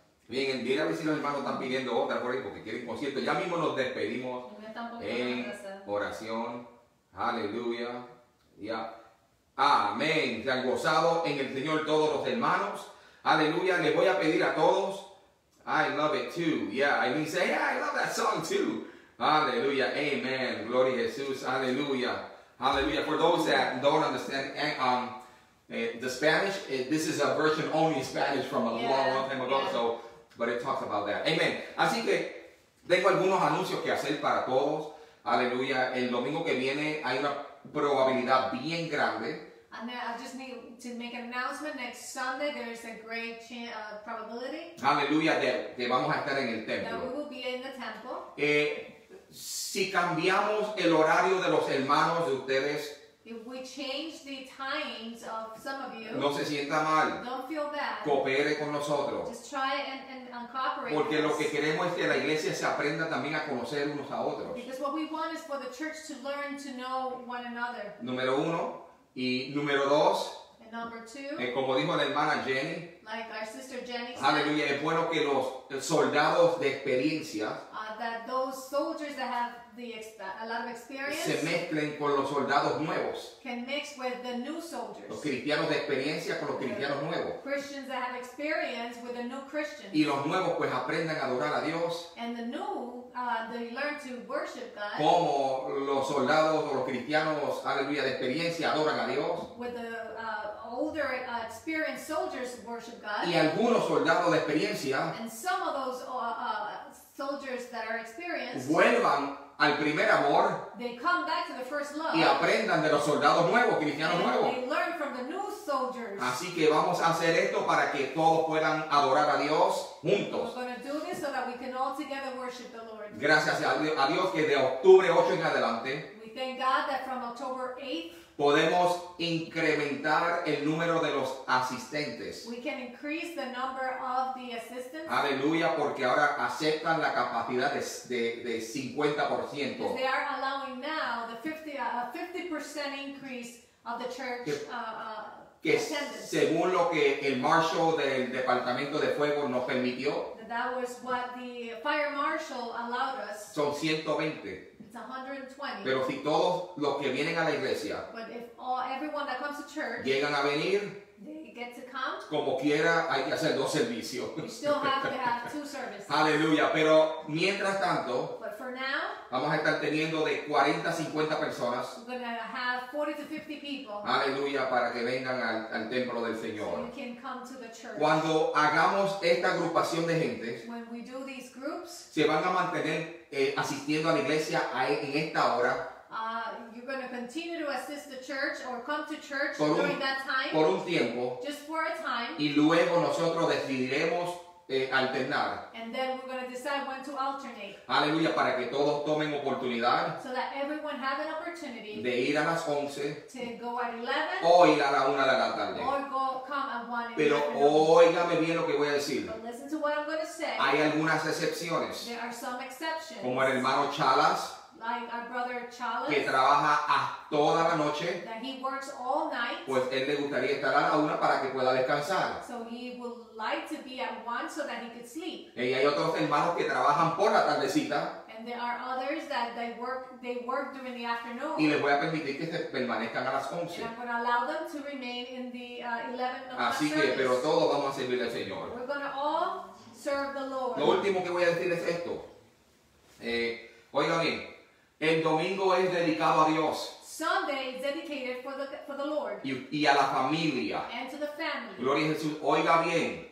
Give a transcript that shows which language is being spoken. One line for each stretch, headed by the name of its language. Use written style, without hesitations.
Spanish: Bien, mira a ver si los hermanos están pidiendo otra por ahí porque quieren concierto. Ya mismo nos despedimos en oración. Aleluya. Ya. Amén. Se han gozado en el Señor todos los hermanos. Aleluya. Les voy a pedir a todos.
English: I love it too. Yeah. And he say, yeah, I love that song too.
Spanish: Aleluya. Amen. Gloria a Jesús. Aleluya. Aleluya.
English: For those that don't understand the Spanish, this is a version only in Spanish from a long time ago. So, but it talks about that. Amen.
Spanish: Así que tengo algunos anuncios que hacer para todos. Aleluya, el domingo que viene hay una probabilidad bien grande.
English: And I just need to make an announcement. Next Sunday there is a great chance, probability.
Spanish: Aleluya, que vamos a estar en el templo.
English: That we will be in the temple.
Spanish: Si cambiamos el horario de los hermanos de ustedes,
English: if we change the times of some of you,
Spanish: no se sienta mal.
English: Don't feel bad.
Spanish: Coopere con nosotros.
English: Just try and cooperate.
Spanish: Porque lo que queremos es que la iglesia se aprenda también a conocer unos a otros.
English: Because what we want is for the church to learn to know one another.
Spanish: Número uno. Y número dos.
English: And number two.
Spanish: Como dijo la hermana Jenny.
English: Like our sister Jenny said.
Spanish: Aleluya. Es bueno que los soldados de experiencia.
English: That those soldiers that have a lot of experience
Spanish: se mezclen con los soldados nuevos.
English: Can mix with the new soldiers.
Spanish: Los cristianos de experiencia con los cristianos nuevos.
English: Christians that have experience with the new Christians.
Spanish: Y los nuevos pues aprendan a adorar a Dios.
English: And the new, they learn to worship God.
Spanish: Como los soldados o los cristianos, aleluya, de experiencia adoran a Dios.
English: With the older experienced soldiers worship God.
Spanish: Y algunos soldados de experiencia.
English: And some of those soldiers that are experienced,
Spanish: vuelvan al primer amor,
English: they come back to the first love,
Spanish: y aprendan de los soldados nuevos, cristianos nuevos.
English: They learn from the new soldiers.
Spanish: Así que vamos a hacer esto para que todos puedan adorar a Dios juntos.
English: We're going to do this so that we can all together worship the Lord.
Spanish: Gracias a Dios que de octubre 8 en adelante,
English: we thank God that from October 8th,
Spanish: podemos incrementar el número de los asistentes.
English: We can increase the number of the assistants.
Spanish: Aleluya, porque ahora aceptan la capacidad de 50%.
English: Because they are allowing now the 50% increase of the church
Spanish: que
English: attendance.
Spanish: Según lo que el marshal del Departamento de Fuego nos permitió.
English: That was what the fire marshal allowed us.
Spanish: Son 120.
English: 120.
Spanish: Pero si todos los que vienen a la iglesia
English: everyone that comes to church,
Spanish: llegan a venir,
English: they get to count.
Spanish: Como quiera, hay que hacer dos servicios.
English: You still have to have two services.
Spanish: Aleluya. Pero mientras tanto,
English: but for now,
Spanish: vamos a estar teniendo de 40 a 50 personas.
English: We're going to have 40 to 50 people.
Spanish: Aleluya, para que vengan al templo del Señor.
English: So you can come to the church.
Spanish: Cuando hagamos esta agrupación de gente,
English: when we do these groups,
Spanish: se van a mantener asistiendo a la iglesia en esta hora.
English: You're going to continue to assist the church or come to church during that time.
Spanish: Por un tiempo.
English: Just for a time.
Spanish: Y luego nosotros decidiremos alternar.
English: And then we're going to decide when to alternate.
Spanish: Aleluya, para que todos tomen oportunidad.
English: So that everyone has an opportunity.
Spanish: De ir a las 11.
English: To go at 11.
Spanish: O ir a la 1 de la tarde.
English: Or go come at 1.
Spanish: Pero óigame bien lo que voy a decir.
English: But listen to what I'm going to say.
Spanish: Hay algunas excepciones.
English: There are some exceptions.
Spanish: Como el hermano Chalas.
English: Like our brother Chalice,
Spanish: que trabaja a toda la noche,
English: that he works all night,
Spanish: pues él le gustaría estar a la una para que pueda descansar.
English: So he would like to be at one so that he could sleep.
Spanish: Y hay otros hermanos que trabajan por la tardecita.
English: And there are others that they work during the afternoon.
Spanish: Y les voy a permitir que se permanezcan a las 11.
English: And I'm going to allow them to remain in the 11 o'clock service.
Spanish: Así que, pero todos vamos a servir al Señor.
English: We're going to all serve the Lord.
Spanish: Lo último que voy a decir es esto. Oiga bien. El domingo es dedicado a Dios.
English: Sunday is dedicated for the Lord.
Spanish: Y a la familia.
English: And to the family.
Spanish: Gloria a Jesús. Oiga bien.